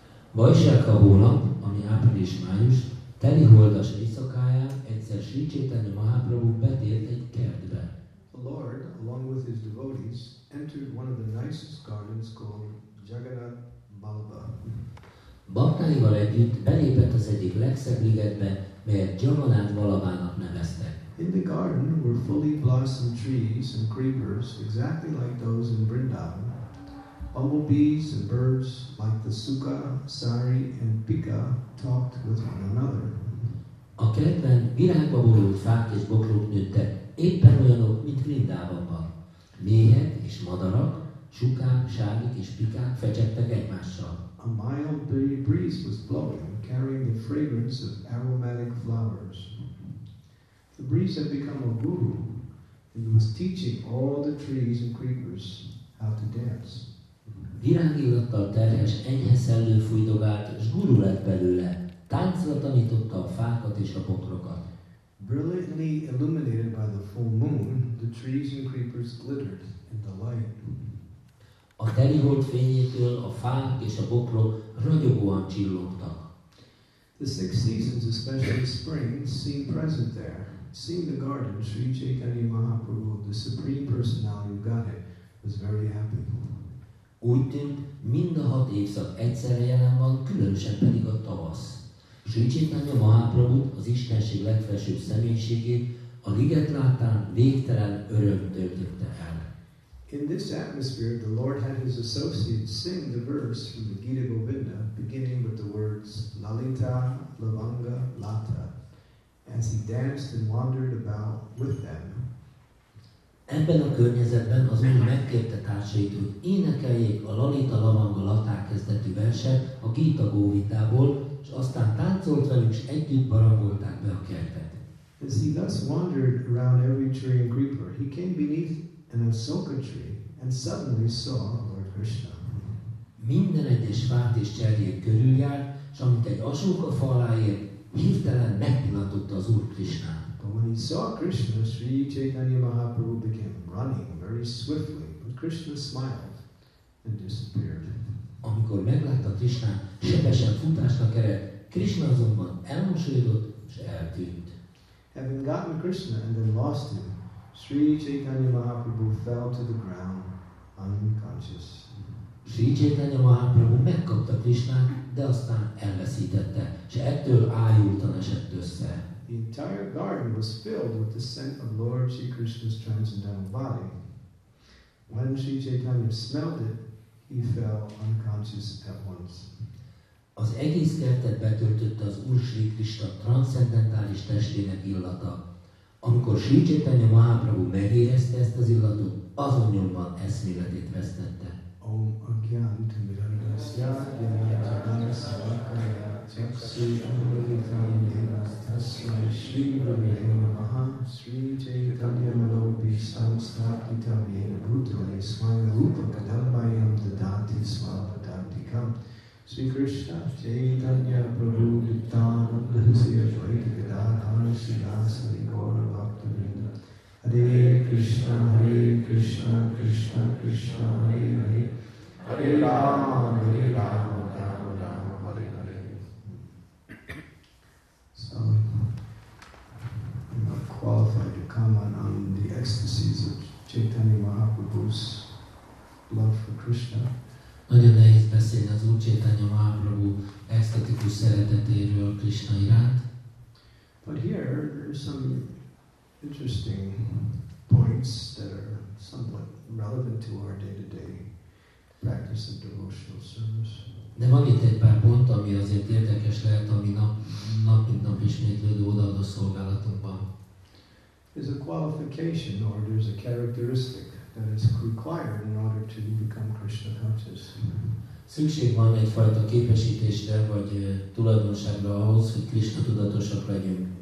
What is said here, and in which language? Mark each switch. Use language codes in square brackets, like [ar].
[hu] Vaishak a hónap, ami április-május, teli holdas éjszakáján egyszer Sri Chaitanya Mahaprabhu betért egy kertbe. [en] Lord, along with his devotees, entered one of the nicest gardens called Jagannath Balba. [hu] Bhaktáival együtt belépett az egyik legszebb ligetbe, melyet Jagannath Balabának neveztek. [en] In the garden were fully blossomed trees and creepers, exactly like those in Vrindavan, bumblebees and birds like the Sukha, Sari and Pika talked with one another. [hu] A kertben virágba borult fák és bokrok nőttek. Éppen olyanok, mint Vrindavanban. Méhek és madarak, sukák, sárgik és pikák fecsegtek egymással. [en] A mild breeze was blowing, carrying the fragrance of aromatic flowers. The breeze had become a guru, and was teaching all the trees and creepers how to dance. [hu] Virágillattal terhes enyhe szellő fújdogált, s guru lett belőle. Táncra tanította a fákat és a bokrokat. [en] Brilliantly illuminated by the full moon, the trees and creepers glittered in the light. [hu] A teli hold fényétől a fák és a bokrok ragyogóan csillogtak. [en] The six seasons, especially spring, seem present there. Seeing the garden, Sri Chaitanya Mahaprabhu, the Supreme Personality of Godhead, was very happy. [hu] Úgy tűnt, mind a hat évszak egyszerre jelen van, különösen pedig a tavasz. Sri Chaitanya Mahaprabhut, az Istenség legfelsőbb személyiségét, a liget láttán végtelen öröm töltötte el. [en] In this atmosphere, the Lord had his associates sing the verse from the Gita Govinda, beginning with the words Lalita, Lavanga, Lata, as he danced and wandered about with them. [hu] Ebben a környezetben az Úr megkérte társait, hogy énekeljék a Lalita, Lavanga, Lata kezdetű verset a Gita Govindából, és aztán táncolt velük, és együtt barangolták be a kertet. [en] As he thus wandered around every tree and creeper, he came beneath an Asoka tree, and suddenly saw Lord Krishna. [hu] Minden egyes fát és cserjét körüljárt, és amint egy Asoka fa alá ért, hirtelen megpillantotta az Úr Krishnát. [en] But when he saw Krishna, Sri Chaitanya Mahaprabhu began running very swiftly, but Krishna smiled and disappeared. [hu] Amikor meglátta Krishnát, sebesen futásnak ered, Krishna azonban elmosolyodott és eltűnt. [en] Having gotten Krishna and then lost him, Sri Chaitanya Mahaprabhu fell to the ground unconscious. [hu] Sri Chaitanya Mahaprabhu megkapta Krishnát, de aztán elveszítette, és ettől ájultan esett össze. [en] The entire garden was filled with the scent of Lord Sri Krishna's transcendental body. When Sri Chaitanya smelled it, he fell unconscious at once. [hu] Az egész kertet betöltötte az Úr Sri Krishna transzcendentális testének illata. Amikor Sri Chaitanya Mahaprabhu megérezte ezt az illatot, azonnyomban eszméletét vesztette. [sa] Om Agyan Tumirandasya Yajnatabhanasya Kaya Chaksu Amritam Devastasya Sri Ravya Maha Sri Chaitanya Malopi Samstakita Vena Bhutale Swaya Rupa Kadambayam Dadati Swapadantikam Sri Krishna Chaitanya Prabhu Dittananda Sri Advaita Gadadhana Sri Nasari Gaura Bhakta Vrinda Hare Krishna Hare Krishna Krishna Krishna Hare Hare Hare Rama Hare Rama Rama Rama Hare Hare. [en] So I'm not qualified to comment on the ecstasies of Chaitanya Mahaprabhu's love for Krishna. [hu] Nagyon nehéz beszélni az Úr Chaitanya Mahaprabhu esztetikus szeretetéről Krishna iránt. [en] But here are some interesting points that are somewhat relevant to our day-to-day practice of devotional service. [hu] De van itt egy pár pont, ami azért érdekes lehet, ami nap mint nap ismétlődő odaadó szolgálatunkban. [en] There's a qualification or there's a characteristic that is required in order to become Krishna conscious. [hu] Szükség van egyfajta képesítésre vagy tulajdonságra ahhoz, hogy Krishna tudatosak legyünk.